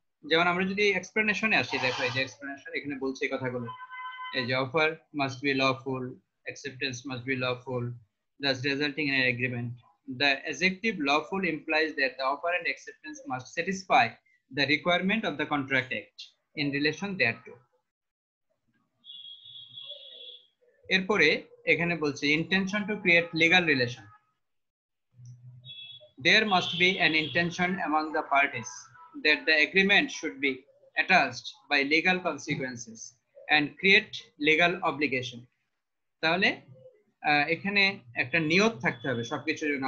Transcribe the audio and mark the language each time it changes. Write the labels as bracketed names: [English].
[Bangla] যেমন আমরা যদি এক্সপ্লেনেশনে আসি, দেখো এই যে [English] Explanation এখানে বলছে এই কথাগুলো, এই যে offer must be lawful, acceptance must be lawful, thus resulting in an agreement, the adjective lawful implies that the offer and acceptance must satisfy the requirement of the contract act in relation that to. [Bangla] এরপরে এখানে বলছে [English] intention to create legal relation. There must be an intention among the parties that the agreement should be attached by legal consequences and create legal obligation. [Bangla] তাহলে এখানে একটা নিয়ত থাকতে হবে সবকিছুর জন্য.